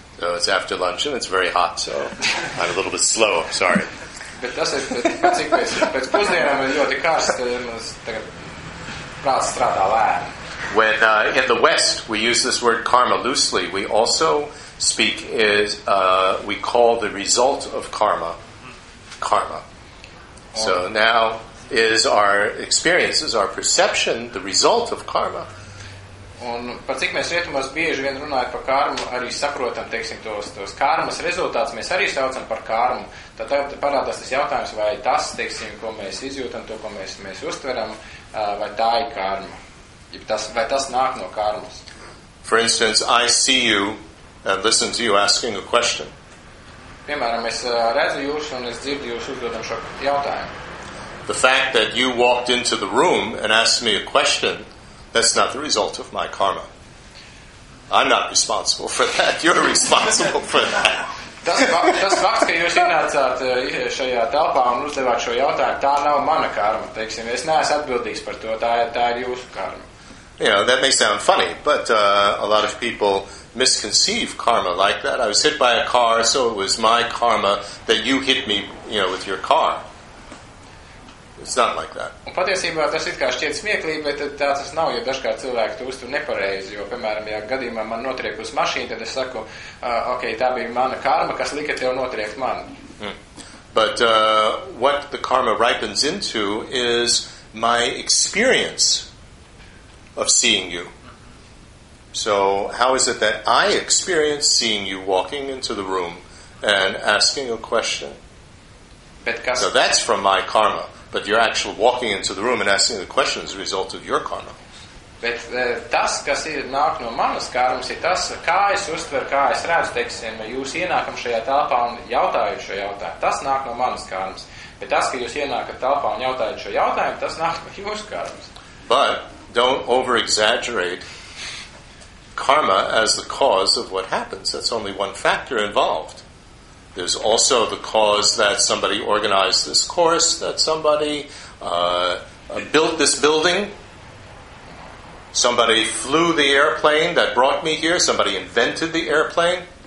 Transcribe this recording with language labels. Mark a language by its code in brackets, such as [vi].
[en] So it's after lunch and it's very hot, so I'm a little bit slow, I'm sorry. [lv] Bet tas ir, bet cik pēc pusdienām ir ļoti karsts, tad mums tagad prāts strādā lēni. [en] When in the West we use this word karma loosely, we also speak is we call the result of karma karma. So now is our experiences, our perception, the result of karma. [lv] Un par cik mēs rietumos bieži vien runājam par karmu, arī saprotam, teiksim, tos karmas rezultātus, mēs arī saucam par karmu. Tad parādās tas jautājums, vai tas, teiksim, ko mēs izjūtam, to, ko mēs uztveram, vai tā ir karma. Tas, vai tas nāk no karmas? [en] For instance, I see you and listen to you asking a question. [lv] Piemēram, es redzu jūs un es dzirdu jūs uzdodam šo jautājumu. [en] The fact that you walked into the room and asked me a question, that's not the result of my karma. I'm not responsible for that. You're responsible for that. [lv] Tas fakts, ka jūs ienācāt šajā telpā un uzdevāt šo jautājumu, tā nav mana karma. Teiksim, es neesmu atbildīgs par to, tā ir jūsu karma. [en] You know, that may sound funny, but a lot of people misconceive karma like that. I was hit by a car, so it was my karma that you hit me, you know, with your car. It's not like that. [lv] Un patiesībā tas it kā šķiet smieklīgi, bet tā tas nav, jo dažkārt cilvēki to uztur nepareizi, jo, piemēram, ja gadījumā man notriek uz mašīnu, tad es saku, ok, tā bija mana karma, kas lika tev notriekt man. Hmm. [en] But what the karma ripens into is my experience of seeing you. So how is it that I experience seeing you walking into the room and asking a question? [lv] Bet kas... [en] So that's from my karma. But you're actually walking into the room and asking the question as a result of your karma. [lv] Bet tas, kas ir nāk no manas karmas, ir tas, kā es uztveru, kā es redzu, teiksim, jūs ienākam šajā telpā un jautājot šo jautājumu. Tas nāk no manas karmas. Bet tas, ka jūs ienākat telpā un jautājot šo jautājumu, tas nāk no jūsu karmas. [en] But don't over-exaggerate karma as the cause of what happens. That's only one factor involved. There's also the cause that somebody organized this course, that somebody built this building, somebody flew the airplane that brought me here, somebody invented the airplane.